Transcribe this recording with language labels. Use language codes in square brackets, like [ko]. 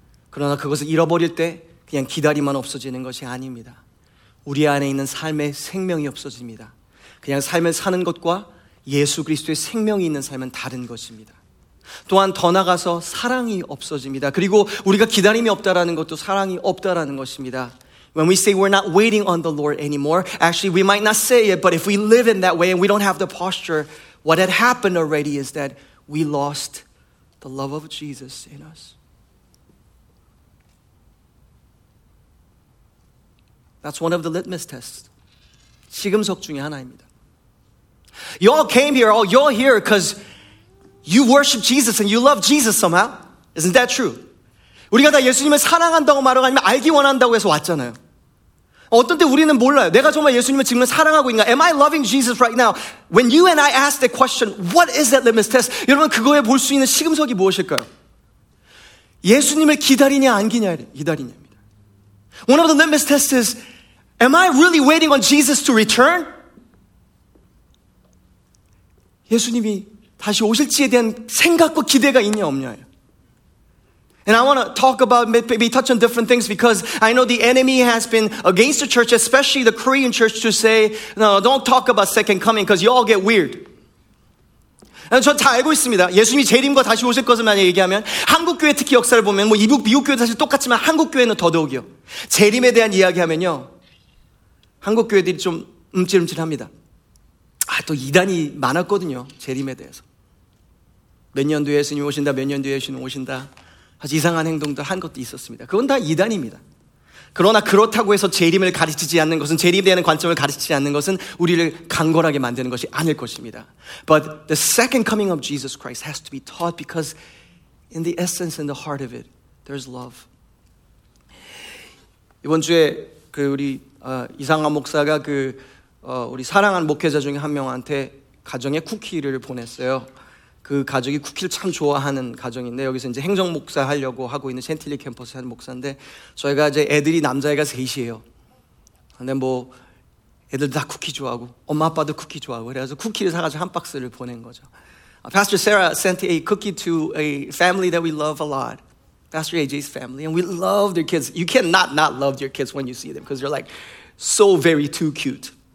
[ko] 그러나 그것을 잃어버릴 때 그냥 기다림만 없어지는 것이 아닙니다. 우리 안에 있는 삶의 생명이 없어집니다. 그냥 삶을 사는 것과 예수 그리스도의 생명이 있는 삶은 다른 것입니다. 또한 더 나아가서 사랑이 없어집니다. 그리고 우리가 기다림이 없다라는 것도 사랑이 없다라는 것입니다. [en] When we say we're not waiting on the Lord anymore, actually we might not say it, but if we live in that way and we don't have the posture, what had happened already is that we lost the love of Jesus in us. That's one of the litmus tests. [ko] 시금석 중에 하나입니다. [en] Y'all came here, oh, y'all here because you worship Jesus and you love Jesus somehow. Isn't that true? [ko] 우리가 다 예수님을 사랑한다고 말하고 아니면 알기 원한다고 해서 왔잖아요. 어떤 때 우리는 몰라요. 내가 정말 예수님을 지금 사랑하고 있나? [en] Am I loving Jesus right now? When you and I ask the question, what is that litmus test? [ko] 여러분, 그거에 볼 수 있는 시금석이 무엇일까요? 예수님을 기다리냐 안 기다리냐입니다. [en] One of the litmus tests is, am I really waiting on Jesus to return? [ko] 예수님이 다시 오실지에 대한 생각과 기대가 있냐 없냐예요. [en] And I want to talk about, maybe touch on different things because I know the enemy has been against the church, especially the Korean church, to say, no, don't talk about second coming because you all get weird. [ko] And 전 다 알고 있습니다. 예수님이 재림과 다시 오실 것을 만약 얘기하면 한국교회 특히 역사를 보면 뭐 미국교회도 사실 똑같지만 한국교회는 더더욱이요. 재림에 대한 이야기하면요. 한국교회들이 좀 움찔움찔합니다. 아, 또 이단이 많았거든요. 재림에 대해서. 몇 년 뒤에 예수님이 오신다, 몇 년 뒤에 예수님이 오신다. 아주 이상한 행동도 한 것도 있었습니다. 그건 다 이단입니다. 그러나 그렇다고 해서 재림을 가르치지 않는 것은, 재림에 대한 관점을 가르치지 않는 것은 우리를 강건하게 만드는 것이 아닐 것입니다. [en] But the second coming of Jesus Christ has to be taught because in the essence and the heart of it, there's love. [ko] 이번 주에 그 우리 이상한 목사가 그 우리 사랑한 목회자 중에 한 명한테 가정에 쿠키를 보냈어요. 그 가족이 쿠키를 참 좋아하는 가정인데, 여기서 이제 행정 목사 하려고 하고 있는 챈틸리 캠퍼스 하는 목사인데, 저희가 이제 애들이 남자애가 셋이에요. 근데 뭐 애들 다 쿠키 좋아하고 엄마 아빠도 쿠키 좋아하고, 그래서 쿠키를 사가지고 한 박스를 보낸 거죠. [en] Pastor Sarah sent a cookie to a family that we love a lot, Pastor AJ's family, and we love their kids. You cannot not love your kids when you see them because they're like so very too cute.